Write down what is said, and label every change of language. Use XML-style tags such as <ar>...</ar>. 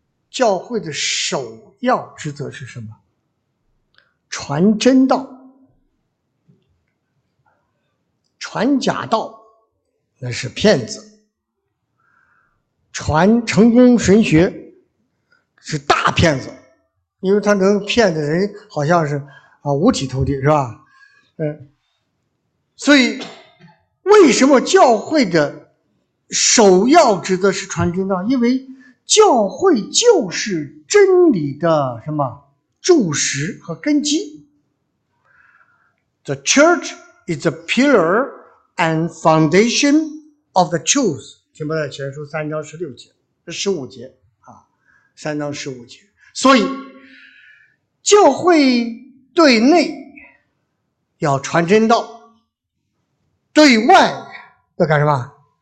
<zh>教会的首要职责是什么？传真道，传假道那是骗子，传成功神学是大骗子，因为他能骗的人好像是啊五体投地，是吧？所以为什么教会的首要职责是传真道？因为教会就是真理的什么柱石和根基。</zh> <en>The church is the pillar and foundation of the truth.</en> <zh>提摩太前书三章十六节，十五节啊，三章十五节。所以，教会对内要传真道，对外要干什么？</zh>